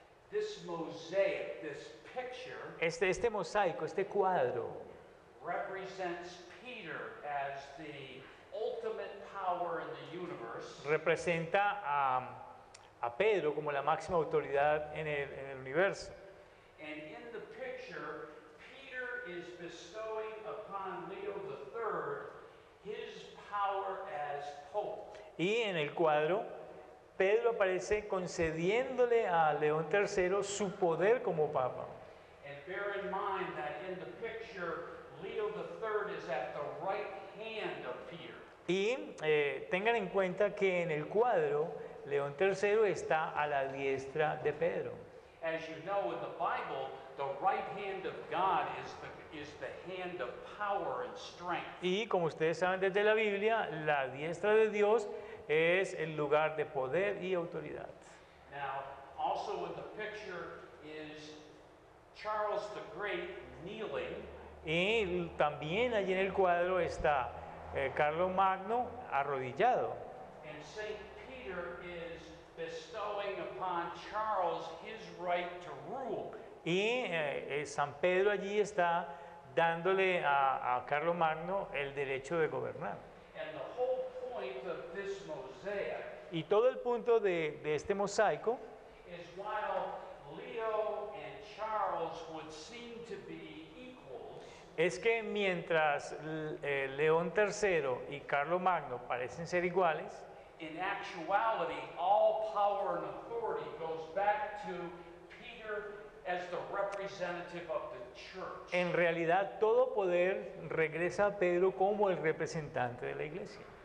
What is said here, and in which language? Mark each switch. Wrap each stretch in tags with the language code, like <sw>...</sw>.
<en>This mosaic, this picture,</en> <es>este mosaico, este cuadro,</es> <en>represents Peter as the ultimate power in the universe.</en> <es>Representa a Pedro como la máxima autoridad en el universo.</es> <en>And in the picture, Peter is bestowing upon Leo III his power as Pope.</en> <es>Y en el cuadro, Pedro aparece concediéndole a León III su poder como Papa.</es> <en>And bear in mind that in the picture, Leo III is at the right hand of Peter.</en> <es>Y tengan en cuenta que en el cuadro, León III está a la diestra de Pedro.</es> <en>As you know in the Bible, the right hand of God is the hand of power and strength.</en> <es>Y como ustedes saben desde la Biblia, la diestra de Dios es el lugar de poder y autoridad.</es> <en>Now, also in the picture is Charles the Great kneeling.</en> <es>Y también allí en el cuadro está Carlomagno arrodillado.</es> <en>And Saint Peter is bestowing upon Charles his right to rule.</en> <es>Y San Pedro allí está dándole a Carlos Magno el derecho de gobernar.</es> <en>And the whole point of this mosaic,</en> <es>y todo el punto de este mosaico es</es> <en>while Leo and Charles would seem to be equals,</en> <es>es que mientras León III y Carlos Magno parecen ser iguales,</es> <en>in actuality, all power and authority goes back to Peter as the representative of the church.</en> <es>En realidad, todo poder regresa a Pedro como el representante de la iglesia.</es>